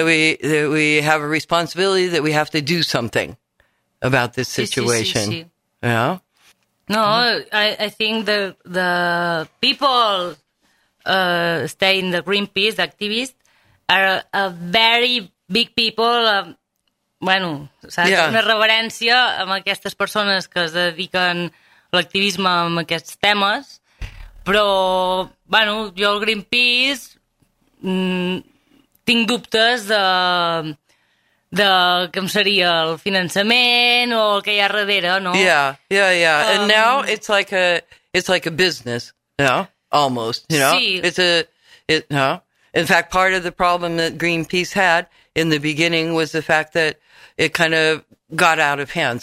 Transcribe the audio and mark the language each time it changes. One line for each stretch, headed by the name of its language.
English: that we have a responsibility, that we have to do something about this situation.
Catalan: Sí, sí, sí, sí.
English: Yeah. No, mm-hmm. I think the people stay in the Greenpeace, the activists are a very big people.
Catalan: Bueno, saps?
English: Yeah.
Catalan: Una reverència amb aquestes persones que es dediquen a l'activisme amb aquests temes, però, bueno, jo al Greenpeace tinc dubtes de com seria el finançament o el que hi ha darrere, no?
English: Yeah, yeah, yeah. And now it's like a business, almost,
Catalan: Sí.
English: In fact, part of the problem that Greenpeace had in the beginning was the fact that it kind of got out of hand.